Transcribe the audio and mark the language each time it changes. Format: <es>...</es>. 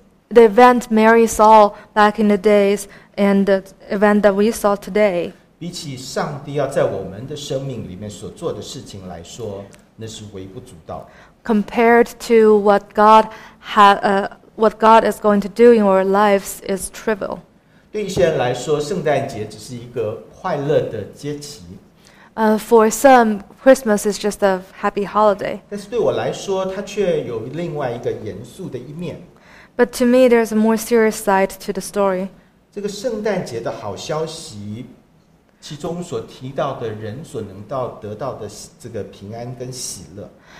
<en>The event Mary saw back in the days and the event that we saw today.</en> <zh>比起上帝要在我们的生命里面所做的事情来说，那是微不足道。</zh> <en>Compared to what God what God is going to do in our lives is trivial.</en> <zh>对一些人来说，圣诞节只是一个快乐的节期。</zh> <en>For some, Christmas is just a happy holiday.</en> <zh>但是对我来说，它却有另外一个严肃的一面。</zh> <en>But to me, there's a more serious side to the story.</en> <zh>这个圣诞节的好消息，其中所提到的人所能得到的这个平安跟喜乐。</zh>